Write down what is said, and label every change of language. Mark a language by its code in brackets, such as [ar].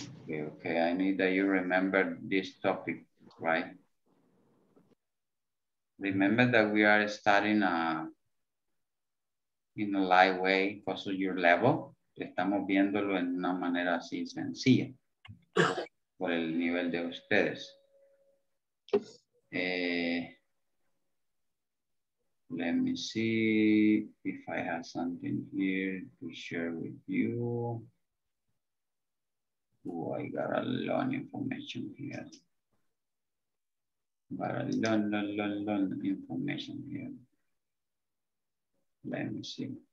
[en] Okay, I need that you remember this topic, right? Remember that we are studying in a light way because of your level. [es] Estamos viéndolo en una manera así sencilla por el nivel de ustedes. [en] Let me see if I have something here to share with you. Ooh, I got a lot of information here. But a lot of information here. Let me see.